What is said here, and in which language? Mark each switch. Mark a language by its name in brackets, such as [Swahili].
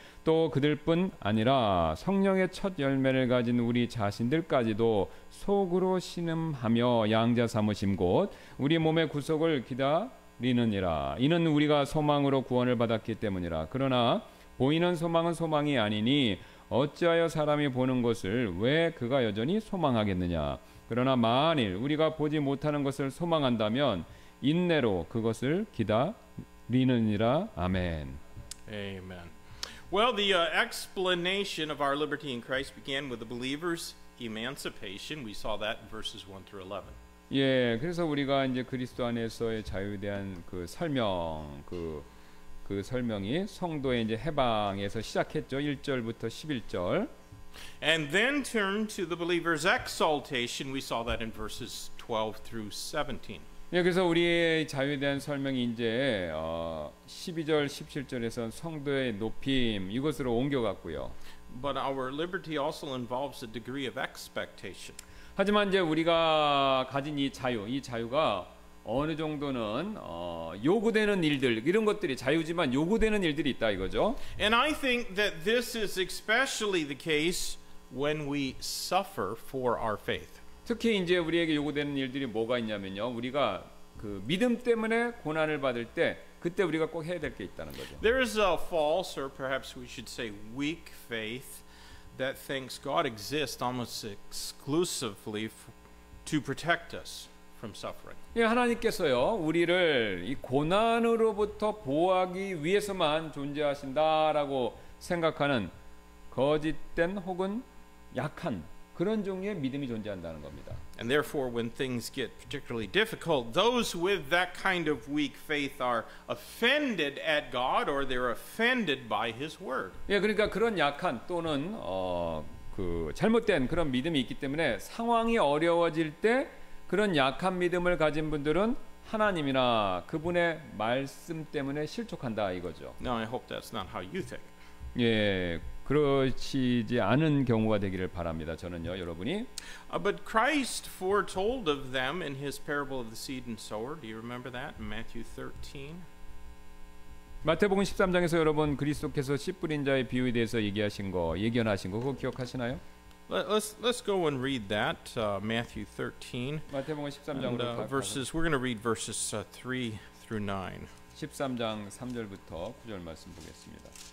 [Korean] 또 그들뿐 아니라 성령의 첫 열매를 가진 우리 자신들까지도 속으로 신음하며 양자 삼으심 곧 우리 몸의 구속을 기다리느니라 이는 우리가 소망으로 구원을 받았기 때문이라 그러나 보이는 소망은 소망이 아니니 어찌하여 사람이 보는 것을 왜 그가 여전히 소망하겠느냐 그러나 만일 우리가 보지 못하는 것을 소망한다면 인내로 그것을 기다리느니라 아멘 [English] 아멘 Well, the explanation of our liberty in Christ began with the believer's emancipation. We saw that in verses 1 through 11. [Korean] 예, 그래서 우리가 이제 그리스도 안에서의 자유에 대한 그 설명, 그 설명이 성도의 이제 해방에서 시작했죠. 1절부터 11절. [English] And then turn to the believer's exaltation. We saw that in verses 12 through 17. [Korean] 예, 그래서 우리의 자유에 대한 설명이 이제 12절, 17절에서 성도의 높임 이것으로 옮겨갔고요. [English] But our liberty also involves a degree of expectation. [Korean] 하지만 이제 우리가 가진 이 자유가 어느 정도는 요구되는 일들 이런 것들이 자유지만 요구되는 일들이 있다 이거죠. [English] And I think that this is especially the case when we suffer for our faith. [Korean] 특히 이제 우리에게 요구되는 일들이 뭐가 있냐면요. 우리가 그 믿음 때문에 고난을 받을 때 그때 우리가 꼭 해야 될 게 있다는 거죠. [English] There is a false or perhaps we should say weak faith that thinks God exists almost exclusively to protect us from suffering. [Korean] 예, 하나님께서요. 우리를 이 고난으로부터 보호하기 위해서만 존재하신다라고 생각하는 거짓된 혹은 약한 그런 종류의 믿음이 존재한다는 겁니다. [English] And therefore when things get particularly difficult, those with that kind of weak faith are offended at God or they're offended by his word. [Korean] 예, 그러니까 그런 약한 또는 그 잘못된 그런 믿음이 있기 때문에 상황이 어려워질 때 그런 약한 믿음을 가진 분들은 하나님이나 그분의 말씀 때문에 실족한다 이거죠. [English] Now I hope that's not how you think. [Korean] 예, 그러시지 않은 경우가 되기를 바랍니다. 저는요, 여러분이. [English] But Christ foretold of them in his parable of the seed and sower. Do you remember that? Matthew 13. [Korean] 마태복음 13장에서 여러분 그리스도께서 씨 뿌린 자의 비유에 대해서 얘기하신 거, 예견하신 거 그거 기억하시나요? [English] Let's go and read that Matthew 13. [Korean] 마태복음 13장으로 [English] 가 verses we're going to read verses 3 through 9. [Korean] 13장 3절부터 9절 말씀 보겠습니다.